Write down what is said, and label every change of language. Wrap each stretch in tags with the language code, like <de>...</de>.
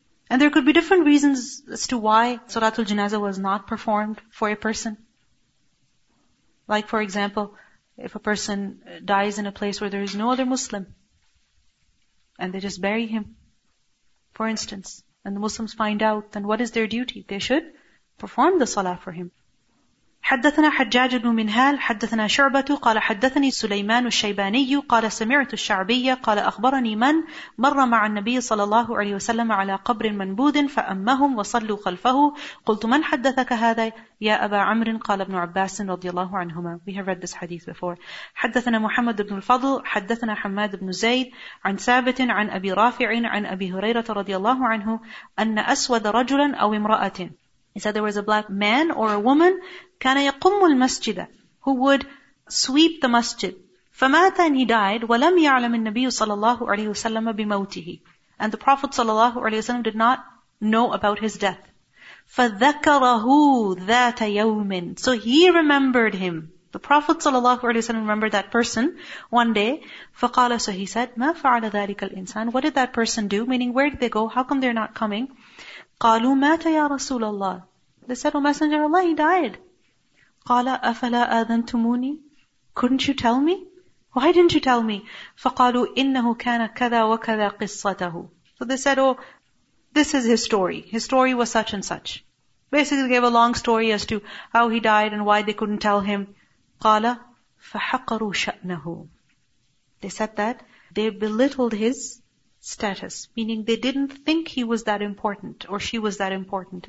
<en>And there could be different reasons as to why Salatul Janazah was not performed for a person. Like, for example, if a person dies in a place where there is no other Muslim, and they just bury him, for instance, and the Muslims find out, then what is their duty? They should perform the salah for him.</en> <ar>حدثنا حجاج بن منهال حدثنا شعبة قال حدثني سليمان الشيباني قال سمعت الشعبية قال أخبرني من مر مع النبي صلى الله عليه وسلم على قبر منبوذ فأمهم وصلوا خلفه قلت من حدثك هذا يا أبا عمرو قال ابن عباس رضي الله عنهما.</ar> <en>We have read this hadith before.</en> <ar>حدثنا محمد بن الفضل حدثنا حماد بن زيد عن ثابت عن أبي رافع عن أبي هريرة رضي الله عنه أن أسود رجلا أو امرأة.</ar> <en>He said there was a black man or a woman,</en> <ar>كان يقوم المسجد,</ar> <en>who would sweep the masjid.</en> <ar>فمات,</ar> <en>and he died,</en> <ar>ولم يعلم النبي صلى الله عليه وسلم بموته.</ar> <en>And the Prophet صلى الله عليه وسلم did not know about his death.</en> <ar>فذكره ذات يوم.</ar> <en>So he remembered him. The Prophet صلى الله عليه وسلم remembered that person one day.</en> <ar>فقال,</ar> <en>so he said,</en> <ar>ما فعل ذلك الإنسان?</ar> <en>What did that person do? Meaning, where did they go? How come they're not coming?</en> <ar>قالوا مات يا رسول الله.</ar> <en>They said, oh Messenger of Allah, he died.</en> <ar>قال أفلا آذنتموني.</ar> <en>Couldn't you tell me? Why didn't you tell me?</en> <ar>فقالوا إنه كان كذا وكذا قصته.</ar> <en>So they said, oh, this is his story. His story was such and such. Basically gave a long story as to how he died and why they couldn't tell him.</en> <ar>قال فحقروا شأنه.</ar> <en>They said that they belittled his status, meaning they didn't think he was that important or she was that important.</en>